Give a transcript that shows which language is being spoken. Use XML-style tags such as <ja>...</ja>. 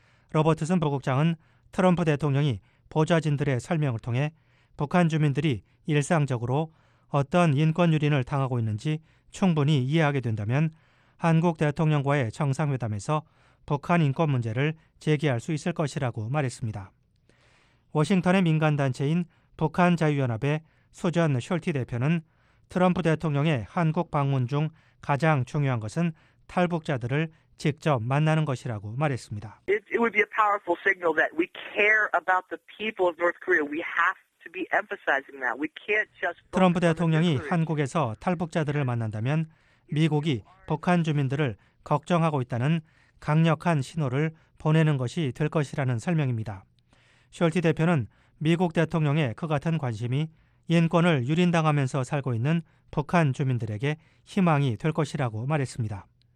<ko>로버트슨 부국장은 트럼프 대통령이 보좌진들의 설명을 통해 북한 주민들이 일상적으로 어떤 인권유린을 당하고 있는지 충분히 이해하게 된다면 한국 대통령과의 정상회담에서 북한 인권 문제를 제기할 수 있을 것이라고 말했습니다. 워싱턴의 민간단체인 북한자유연합의 수전 숄티 대표는 트럼프 대통령의 한국 방문 중 가장 중요한 것은 탈북자들을 직접 만나는 것이라고 말했습니다.</ko> <en>It would be a powerful signal that we care about the people of North Korea. We have to be emphasizing that. We can't just</en> <ko>트럼프 대통령이 한국에서 탈북자들을 만난다면 미국이 북한 주민들을 걱정하고 있다는 강력한 신호를 보내는 것이 될 것이라는 설명입니다. 숄티 대표는 미국 대통령의 그 같은 관심이 인권을 유린당하면서 살고 있는 북한 주민들에게 희망이 될 것이라고 말했습니다.</ko>